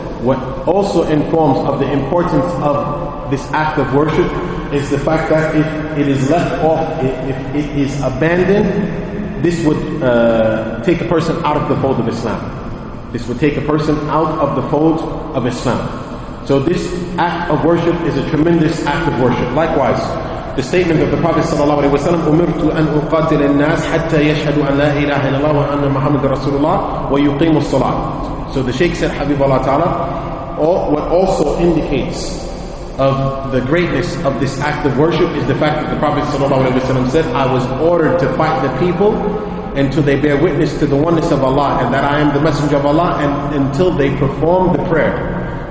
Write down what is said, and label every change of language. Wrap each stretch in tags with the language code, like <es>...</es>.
<en>What also informs of the importance of this act of worship is the fact that if it is left off, if it is abandoned, this would take a person out of the fold of Islam. This would take a person out of the fold of Islam. So this act of worship is a tremendous act of worship. Likewise, the statement of the Prophet</en> <ar>sallallahu alaihi wasallam, أُمِرْتُ أَنْ أُقَاتِلَ النَّاسَ حَتَّى يَشْهَدُوا أَنْ لَا إِلَهَ إِلَّا اللَّهُ وَأَنَّ مُحَمَّدَ رَسُولُ اللَّهِ وَيُقِيمُ الصَّلَاةَ.</ar> <en>So the Shaykh said, Habibullah ta'ala, what also indicates of the greatness of this act of worship is the fact that the Prophet sallallahu alaihi wasallam said, I was ordered to fight the people until they bear witness to the oneness of Allah and that I am the Messenger of Allah and until they perform the prayer.</en>